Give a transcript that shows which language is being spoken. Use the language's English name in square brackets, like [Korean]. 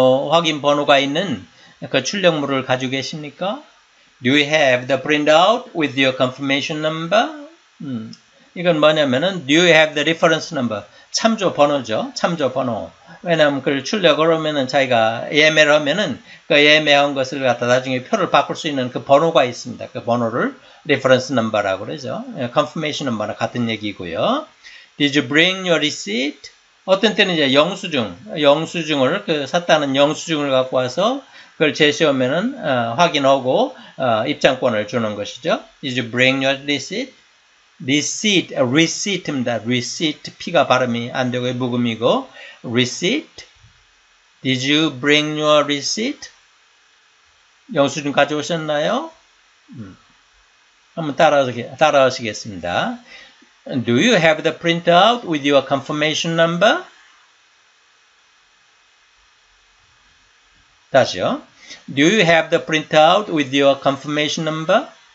[Korean] 확인 번호가 있는 그 출력물을 가지고 계십니까? [English] Do you have the printout with your confirmation number? [Korean] 이건 뭐냐면은, [English] Do you have the reference number? [Korean] 참조 번호죠. 참조 번호. 왜냐면 그걸 출력을 하면은 자기가 예매를 하면은 그 예매한 것을 갖다 나중에 표를 바꿀 수 있는 그 번호가 있습니다. 그 번호를 reference number라고 그러죠. confirmation number랑 같은 얘기고요. [English] Did you bring your receipt? [Korean] 어떤 때는 이제 영수증을 그 샀다는 영수증을 갖고 와서 그걸 제시하면은 확인하고 입장권을 주는 것이죠. [English] Did you bring your receipt? Receipt입니다. Receipt. [Korean] P가 발음이 안 되고 무음이고 receipt. [English] Did you bring your receipt? [Korean] 영수증 가져오셨나요? 한번 따라하시겠습니다. [English] Do you have the printout with your confirmation number? [Korean] 다시요. [English] Do you have the printout with your confirmation number?